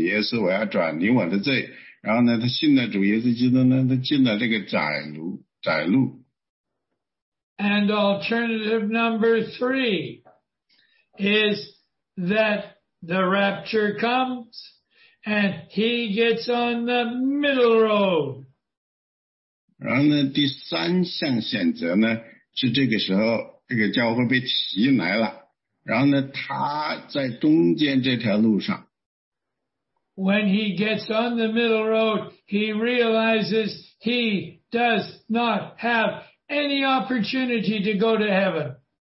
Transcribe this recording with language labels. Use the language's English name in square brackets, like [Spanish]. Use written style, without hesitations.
[Chinese] 另一个选择，他有这样一个机会，他说呢，我不再往前走了，我要去相信主耶稣，我要转离我的罪。然后呢，他信了主耶稣基督呢，他进了这个窄路。 [English] And alternative number three is that the rapture comes and he gets on the middle road. [Chinese] 然后呢，第三项选择呢，是这个时候这个教会被提来了，然后呢，他在中间这条路上。 [English] When he gets on the middle road, he realizes he does not have any opportunity to go to heaven.